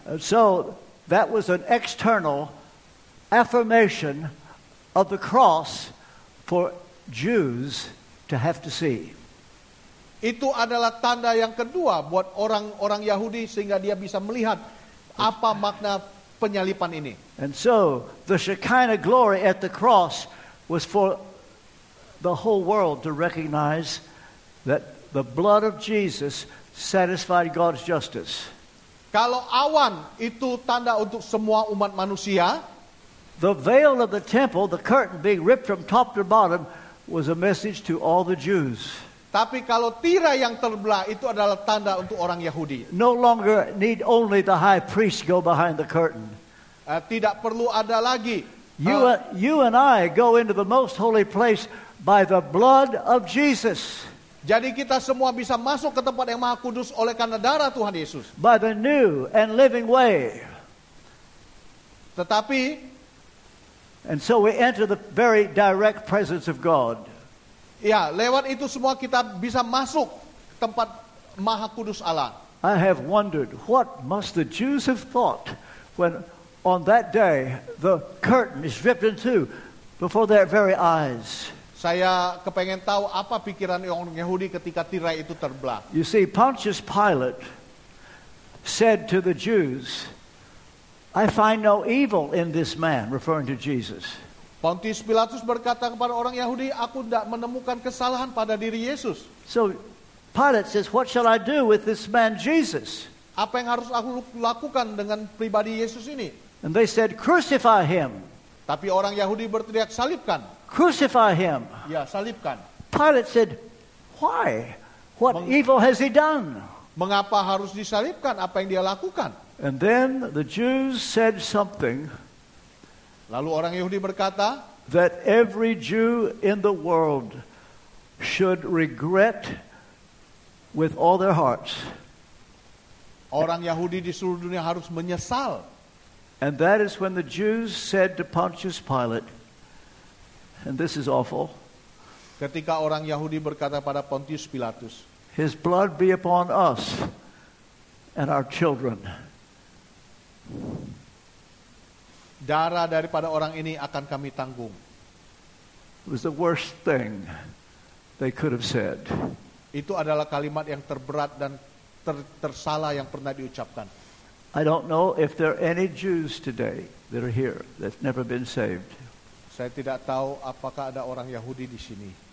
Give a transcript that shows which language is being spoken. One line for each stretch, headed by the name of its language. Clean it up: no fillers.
English: And so that was an external affirmation of the cross for Jews to have to see.
Indonesian: Itu adalah tanda yang kedua buat orang-orang Yahudi sehingga dia bisa melihat apa makna penyalipan ini.
English: And so the Shekinah glory at the cross was for the whole world to recognize that the blood of Jesus satisfied God's justice.
Indonesian: Kalau awan itu tanda untuk semua umat manusia,
English: the veil of the temple, the curtain being ripped from top to bottom, was a message to all the Jews.
Indonesian: Tapi kalau tirai yang terbelah itu adalah tanda untuk orang Yahudi.
English: No longer need only the high priest go behind the curtain.
Indonesian: Tidak perlu ada lagi.
English: You and I go into the most holy place by the blood of Jesus.
Indonesian: Jadi kita semua bisa masuk ke tempat yang maha kudus oleh karena darah Tuhan Yesus.
English: By the new and living way.
Indonesian: Tetapi,
English: and so we enter the very direct presence of God.
Indonesian: Ya, lewat itu semua kita bisa masuk tempat maha kudus Allah.
English: I have wondered what must the Jews have thought when on that day the curtain is ripped in two before their very eyes.
Indonesian: Saya kepengen tahu apa pikiran orang Yahudi ketika tirai itu terbelah.
English: You see, Pontius Pilate said to the Jews, "I find no evil in this man," referring to Jesus.
Indonesian: Pontius Pilatus berkata kepada orang Yahudi, "Aku tidak menemukan kesalahan pada diri Yesus."
English: So Pilate says, "What shall I do with this man Jesus?"
Indonesian: Apa yang harus aku lakukan dengan pribadi Yesus ini?
English: And they said, "Crucify him."
Indonesian: Tapi orang Yahudi berteriak, "Salibkan."
English: Crucify him.
Indonesian: Ya, salibkan.
English: Pilate said, Why? What evil has he done?
Indonesian: Mengapa harus disalibkan? Apa yang dia lakukan?
English: And then the Jews said something.
Indonesian: Lalu orang Yahudi berkata,
English: that every Jew in the world should regret with all their hearts.
Indonesian: Orang Yahudi di seluruh dunia harus menyesal.
English: And that is when the Jews said to Pontius Pilate, and this is awful.
Indonesian: Ketika orang Yahudi berkata pada Pontius Pilatus,
English: his blood be upon us and our children.
Indonesian: Darah daripada orang ini akan kami tanggung.
English: It was the worst thing they could have said.
Indonesian: Itu adalah kalimat yang terberat dan tersalah yang pernah diucapkan.
English: I don't know if there are any Jews today that are here that's never been saved.
Indonesian: Saya tidak tahu apakah ada orang Yahudi di sini.